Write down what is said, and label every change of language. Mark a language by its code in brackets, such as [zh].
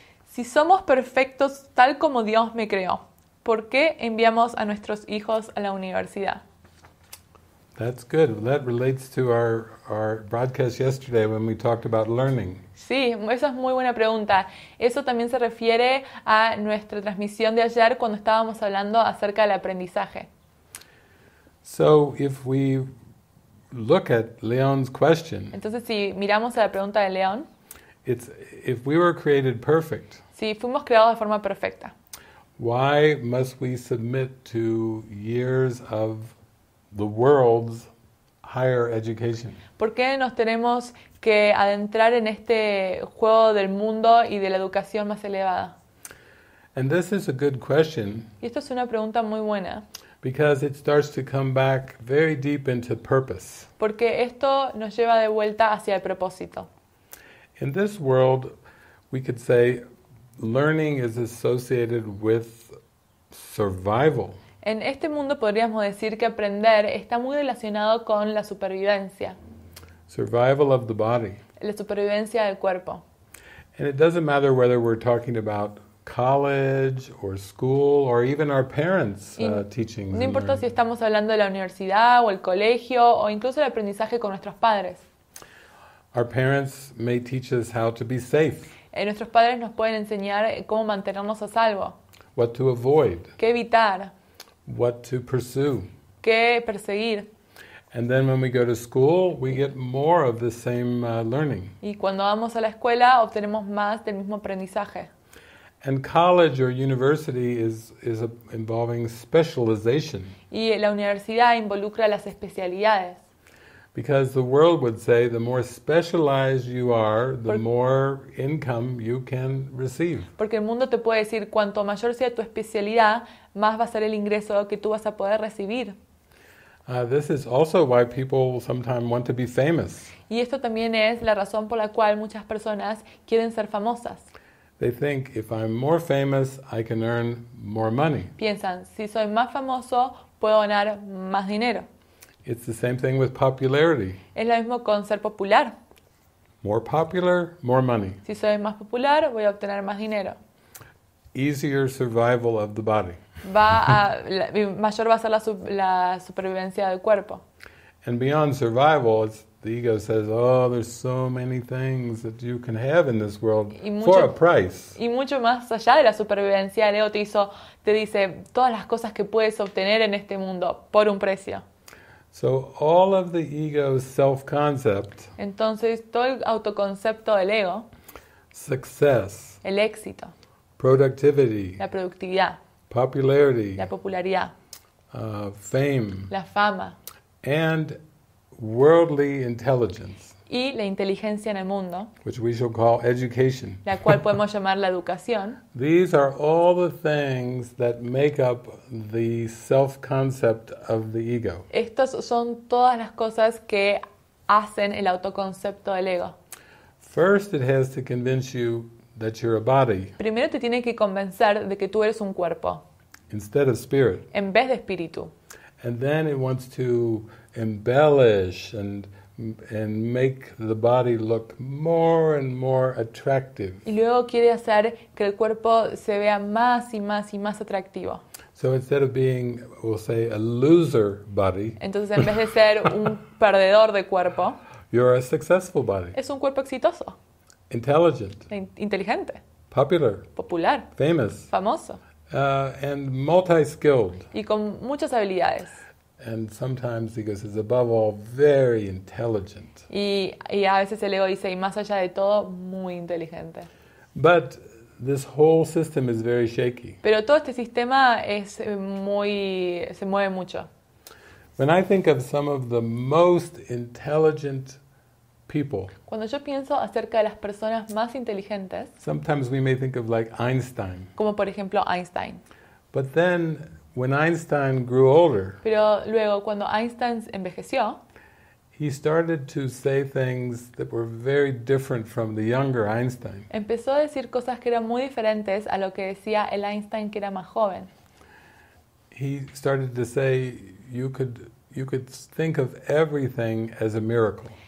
[es] Si somos perfectos tal como Dios me creó, ¿por qué enviamos a nuestros hijos a la universidad? [en] That's good. That relates to our broadcast yesterday when we talked about learning. [es] Sí, esa es muy buena pregunta. Eso también se refiere a nuestra transmisión de ayer cuando estábamos hablando acerca del aprendizaje. [en] So if we look at Leon's question. [es] Entonces si miramos a la pregunta de Leon. [en] It's if we were created perfect. [es] Si fuimos creados de forma perfecta. [en] Why must we submit to years of the world's higher education? [es] ¿Por qué nos tenemos que adentrar en este juego del mundo y de la educación más elevada? [en] And this is a good question. [es] Y esto es una pregunta muy buena. [en] Because it starts to come back very deep into purpose. [es] Porque esto nos lleva de vuelta hacia el propósito. [en] In this world, we could say learning is associated with survival. [es] En este mundo podríamos decir que aprender está muy relacionado con la supervivencia. [en] Survival of the body. [es] La supervivencia del cuerpo. [en] And it doesn't matter whether we're talking about college or school or even our parents teaching. [es] No importa si estamos hablando de la universidad o el colegio o incluso el aprendizaje con nuestros padres. [en] Our parents may teach us how to be safe. [es] Nuestros padres nos pueden enseñar cómo mantenernos a salvo. [en] What to avoid. [es] Qué evitar. [en] What to pursue. [es] Qué perseguir. [en] And then when we go to school, we get more of the same learning. [es] Y cuando vamos a la escuela obtenemos más del mismo aprendizaje. [en] And college or university is involving specialization. [es] Y la universidad involucra las especialidades. [en] Because the world would say the more specialized you are, the more income you can receive. [es] Porque el mundo te puede decir cuanto mayor sea tu especialidad, más va a ser el ingreso que tú vas a poder recibir. [en] This is also why people sometimes want to be famous. [es] Y esto también es la razón por la cual muchas personas quieren ser famosas. [en] They think if I'm more famous, I can earn more money. [es] Piensan, si soy más famoso, puedo ganar más dinero. [en] It's the same thing with popularity. [es] Es lo mismo con ser popular. [en] More popular, more money. [es] Si soy más popular, voy a obtener más dinero. [en] Easier survival of the body. [es] mayor va a ser la supervivencia del cuerpo. [en] And beyond survival, it's the ego says, oh, there's so many things that you can have in this world for a price. [es] Y mucho más allá de la supervivencia, el ego te dice, todas las cosas que puedes obtener en este mundo por un precio. [en] So all of the ego's self-concept. [es] Entonces, todo el autoconcepto del ego. [en] Success. [es] El éxito. [en] Productivity. [es] La productividad. [en] Popularity. [es] La popularidad. [en] Fame. [es] La fama. [en] And worldly intelligence. [es] Y la inteligencia en el mundo, [en] which we shall call education. [es] La cual podemos llamar la educación. [en] These are all the things that make up the self-concept of the ego. [es] Estas son todas las cosas que hacen el autoconcepto del ego. [en] First, it has to convince you that you're a body. [es] Primero te tiene que convencer de que tú eres un cuerpo. [en] Instead of spirit. [es] En vez de espíritu. [en] And then it wants to embellish and make the body look more and more attractive. [es] Y luego quiere hacer que el cuerpo se vea más y más y más atractivo. [en] So instead of being, we'll say, a loser body. [es] Entonces, en vez de ser un perdedor de cuerpo. [en] You're a successful body. [es] Es un cuerpo exitoso. [en] Intelligent. [es] Inteligente. [en] Popular. [es] Popular. [en] Famous. [es] Famoso. [en] And multi-skilled. [es] Y con muchas habilidades. [en] And sometimes he goes, it's above all very intelligent. [es] Y a veces el ego dice, y más allá de todo, muy inteligente. [en] But this whole system is very shaky. [es] Pero todo este sistema es muy, se mueve mucho. [en] When I think of some of the most intelligent people. [es] Cuando yo pienso acerca de las personas más inteligentes. [en] Sometimes we may think of like Einstein. [es] Como por ejemplo Einstein. [en] But then when Einstein grew older. [es] Pero luego cuando Einstein envejeció. [en] He started to say things that were very different from the younger Einstein. [es] Empezó a decir cosas que eran muy diferentes a lo que decía el Einstein que era más joven. [en] He started to say you could think of everything as a miracle.